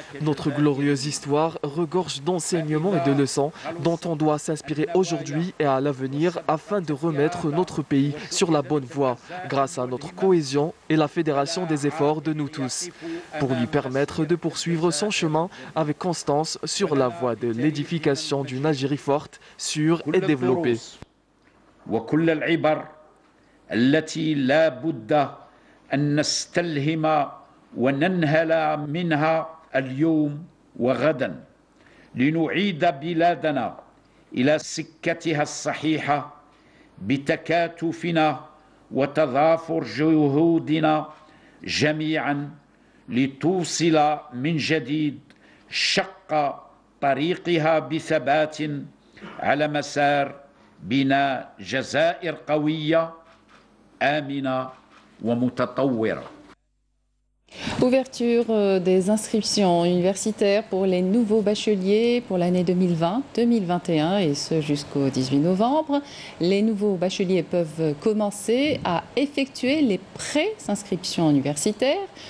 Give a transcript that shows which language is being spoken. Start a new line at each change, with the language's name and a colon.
French: Notre glorieuse histoire regorge d'enseignements et de leçons dont on doit s'inspirer aujourd'hui et à l'avenir afin de remettre notre pays sur la bonne voie grâce à notre cohésion et la fédération des efforts de nous tous pour lui permettre de poursuivre son chemin avec constance sur la voie de l'édification d'une Algérie forte, sûre et développée.
Arabic: وكل العبر التي لا بد أن نستلهم وننهل منها اليوم وغدا لنعيد بلادنا إلى سكتها الصحيحة بتكاتفنا وتضافر جهودنا جميعا لتوصل من جديد شق طريقها بثبات على مسار بناء جزائر قوية آمنة ومتطورة.
French: Ouverture des inscriptions universitaires pour les nouveaux bacheliers pour l'année 2020-2021 et ce jusqu'au 18 novembre. Les nouveaux bacheliers peuvent commencer à effectuer les pré-inscriptions universitaires.